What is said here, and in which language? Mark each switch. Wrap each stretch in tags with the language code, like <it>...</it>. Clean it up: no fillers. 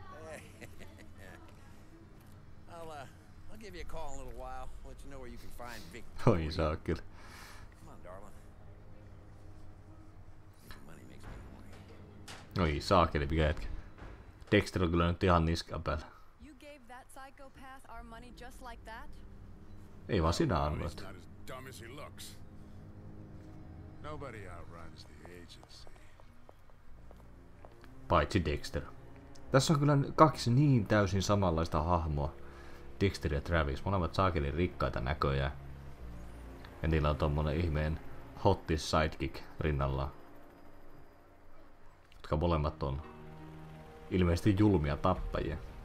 <en>Hey. I'll give you a call in a little while. Let you know where you can find Vic. Oh, he's out good. Come on, darling. Little money makes me money. Oh, he's out good. Big guy.</en> <fi>Dexter on kyllä nyt ihan niskan päällä.</fi> <en>You gave that psychopath our money just like that?</en> <fi>Ei vaan sinä annoit.</fi> <en>He's not as dumb as he looks. Nobody outruns the agency.</en> <fi>Paitsi Dexter. Tässä on kyllä kaksi niin täysin samanlaista hahmoa. Dexter ja Travis, molemmat saakeli rikkaita näköjä. Ja niillä on tommonen ihmeen hotti sidekick rinnalla. Jotka molemmat on ilmeisesti julmia tappajia.</fi>